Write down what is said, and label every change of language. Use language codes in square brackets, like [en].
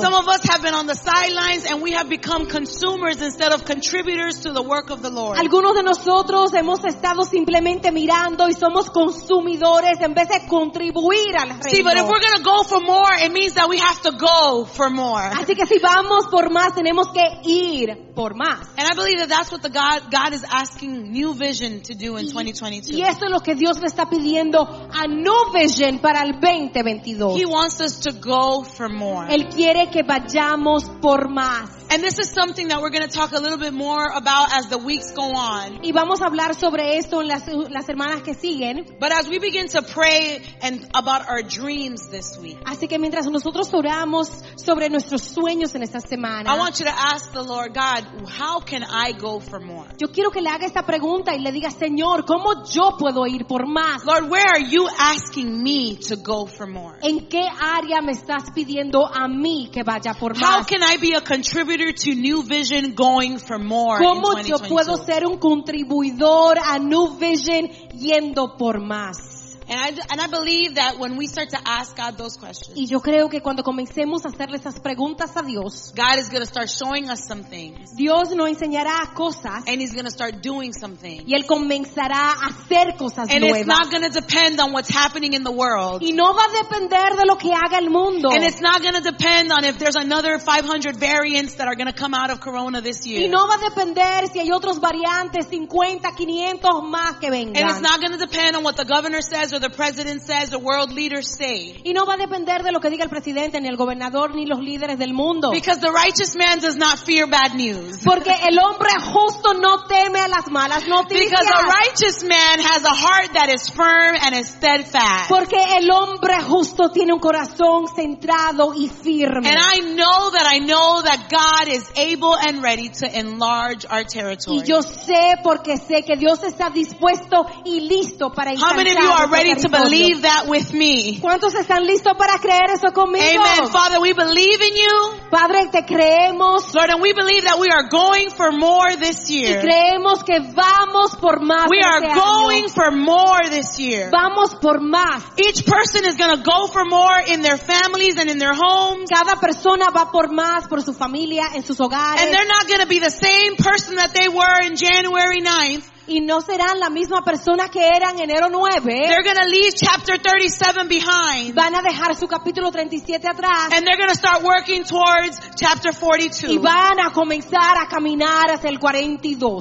[en] Some of us have been on the sidelines and we have become consumers instead of contributors to the work of the Lord. [es] Algunos de nosotros hemos estado simplemente mirando y somos consumidores en vez de contribuir al reino. [en] See, but if we're going to go for more, it means that we have to go for more. [es] Así que si vamos por más, tenemos que ir por más. [en] And I believe that that's what God is asking New Vision to do in 2022. [es] Y eso es lo que Dios le está pidiendo a New Vision para el 2022. [en] He wants us to go for more. [es] Él quiere que vayamos por más. [en] And this is something that we're going to talk a little bit more about as the weeks go on. [es] Y vamos a hablar sobre esto en las semanas que siguen. [en] But as we begin to pray and about our dreams this week. [es] Así que mientras nosotros oramos sobre nuestros sueños en esta semana. [en] I want you to ask the Lord, God, how can I go for more? [es] Yo quiero que le haga esta pregunta y le diga, Señor, ¿cómo yo puedo ir por más? [en] Lord, where are you asking me to go for more? [es] ¿En qué área me estás pidiendo a mí que vaya por más? [en] How can I be a contributor to New Vision going for more? [es] ¿Cómo yo puedo ser un contribuidor a New Vision yendo por más? [en] And I believe that when we start to ask God those questions. [es] Y yo creo que cuando comencemos a hacerle esas preguntas a Dios. [en] God is going to start showing us some things. [es] Dios nos enseñará cosas. [en] And He's going to start doing some things. [es] Y él comenzará a hacer cosas [en] and [es] nuevas. [en] And it's not going to depend on what's happening in the world. [es] Y no va a depender de lo que haga el mundo. [en] And it's not going to depend on if there's another 500 variants that are going to come out of Corona this year. [es] Y no va a depender si hay otros variantes 50, 500 más que vengan. [en] And it's not going to depend on what the governor says. Or the president says, the world leaders say. [es] Y no va a depender de lo que diga el presidente, ni el gobernador, ni los líderes del mundo. [en] Because the righteous man does not fear bad news. [es] Porque el hombre justo no teme a las malas noticias. [en] Because a righteous man has a heart that is firm and is steadfast. [es] Porque el hombre justo tiene un corazón centrado y firme. [en] And I know that God is able and ready to enlarge our territory. [es] Y yo sé porque sé que Dios está dispuesto y listo para ensanchar. [en] How many of you are ready ready to believe that with me? [es] ¿Cuántos están listos para creer eso conmigo? [en] Amen. Father, we believe in you. [es] Padre, te creemos. [en] Lord, and we believe that we are going for more this year. [es] Y creemos que vamos por más. [en] We are going for more this year. [es] Vamos por más. [en] Each person is going to go for more in their families and in their homes. [es] Cada persona va por más por su familia, en sus hogares. [en] And they're not going to be the same person that they were in January 9th. [es] Y no serán la misma persona que eran enero 9. [en] They're going to leave chapter 37 behind. [es] Van a dejar su capítulo 37 atrás. [en] And they're going to start working towards chapter 42. [es] Y van a comenzar a caminar hacia el 42.